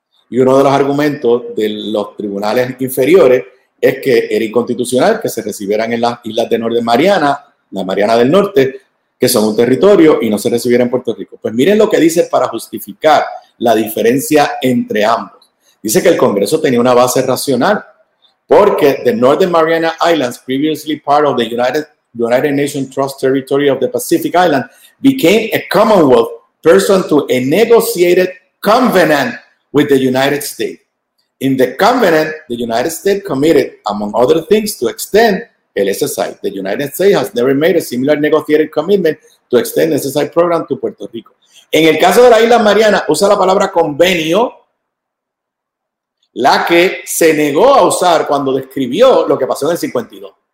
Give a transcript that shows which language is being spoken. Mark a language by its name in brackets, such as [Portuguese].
[Spanish] Y uno de los argumentos de los tribunales inferiores es que era inconstitucional que se recibieran en las islas de Northern Mariana, la Mariana del Norte, que son un territorio, y no se recibiera en Puerto Rico. Pues miren lo que dice para justificar la diferencia entre ambos. Dice que el Congreso tenía una base racional, porque [English] the Northern Mariana Islands, previously part of the United Nations Trust Territory of the Pacific Island, became a Commonwealth pursuant to a negotiated covenant with the United States. In the covenant, the United States committed, among other things, to extend el SSI. The United States has never made a similar negotiated commitment to extend the SSI program to Puerto Rico. [Spanish] En el caso de la Isla Mariana, usa la palabra convenio, la que se negó a usar cuando describió lo que pasó en el 52.